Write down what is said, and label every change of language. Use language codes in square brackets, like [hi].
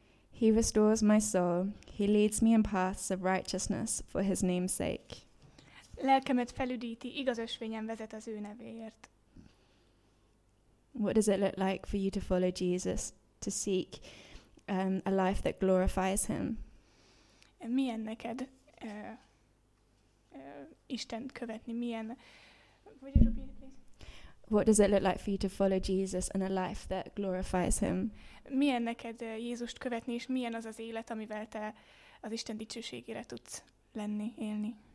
[en] He restores my soul. He leads me in paths of righteousness for his name's sake. [hu] Lelkemet felüdíti, igaz ösvényen vezet az ő nevéért. [en] What does it look like for you to follow Jesus, to seek a life that glorifies him? [hu] Milyen neked Isten követni? Milyen? [en] What does it look like for you to follow Jesus and a life that glorifies him? [hu] Milyen neked Jézust követni, és milyen az az élet, amivel te az Isten dicsőségére tudsz lenni, élni?